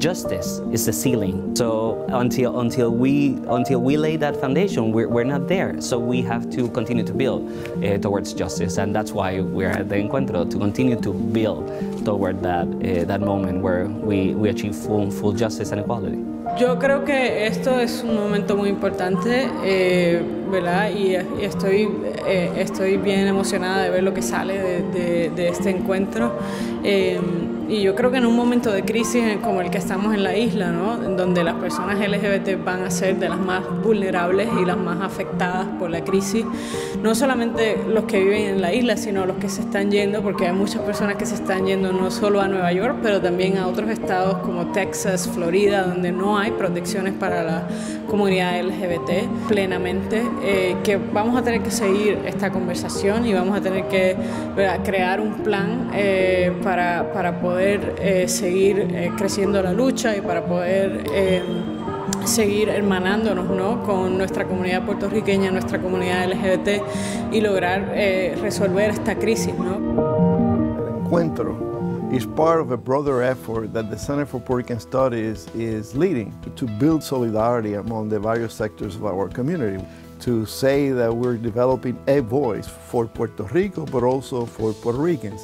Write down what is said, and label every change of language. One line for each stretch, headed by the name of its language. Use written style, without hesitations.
English: Justice is the ceiling. So until we lay that foundation, we're not there. So we have to continue to build towards justice. And that's why we're at the Encuentro, to continue to build toward that that moment where we achieve full justice and equality.
Spanish: Yo creo que esto es un momento muy importante, ¿verdad? Y estoy bien emocionada de ver lo que sale de este encuentro. Y yo creo que en un momento de crisis como el que estamos en la isla, ¿no? Donde las personas LGBT van a ser de las más vulnerables y las más afectadas por la crisis, no solamente los que viven en la isla, sino los que se están yendo, porque hay muchas personas que se están yendo no solo a Nueva York, pero también a otros estados como Texas, Florida, donde no hay protecciones para la comunidad LGBT plenamente, que vamos a tener que seguir esta conversación y vamos a tener que, ¿verdad?, crear un plan para poder seguir creciendo la lucha y para poder seguir hermanándonos, ¿no?, con nuestra comunidad puertorriqueña, nuestra comunidad LGBT y lograr resolver esta crisis, ¿no?
English: El encuentro is part of a broader effort that the Center for Puerto Rican Studies is leading to build solidarity among the various sectors of our community, to say that we're developing a voice for Puerto Rico, but also for Puerto Ricans.